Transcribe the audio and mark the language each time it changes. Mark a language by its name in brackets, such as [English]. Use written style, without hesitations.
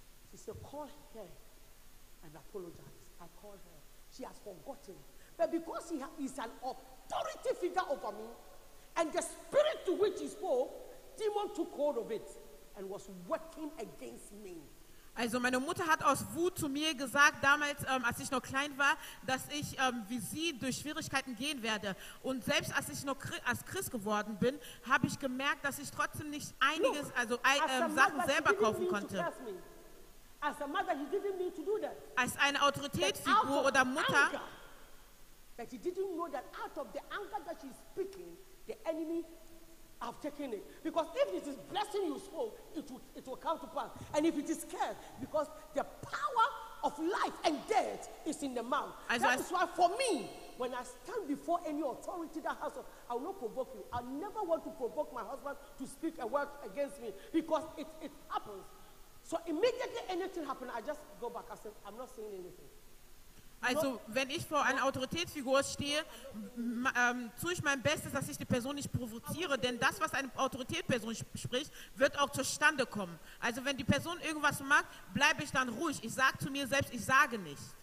[English] She said, call her and apologize. I called her. She has forgotten. But because he is an authority figure over me, and the spirit to which he spoke, demon took hold of it and was working against me. [German] Also meine Mutter hat aus Wut zu mir gesagt, damals, als ich noch klein war, dass ich wie sie durch Schwierigkeiten gehen werde. Und selbst als ich noch als Christ geworden bin, habe ich gemerkt, dass ich trotzdem nicht einiges, also Sachen selber kaufen konnte. [English] As a mother, he didn't mean to do that. [German] Als eine Autoritätsfigur oder Mutter, [English] that he didn't know that out of the anger that she's speaking, the enemy have taken it. Because if it is blessing you so, it will come to pass. And if it is curse, because the power of life and death is in the mouth. [German] Also [English] that is why for me, when I stand before any authority that has, I will not provoke you. I never want to provoke my husband to speak a word against me because it happens. So immediately anything happens, I just go back. I said, I'm not saying anything. [German] Also, wenn ich vor einer Autoritätsfigur stehe, tue ich mein Bestes, dass ich die Person nicht provoziere, denn das, was eine Autoritätsperson spricht, wird auch zustande kommen. Also, wenn die Person irgendwas macht, bleibe ich dann ruhig. Ich sage zu mir selbst, ich sage nicht.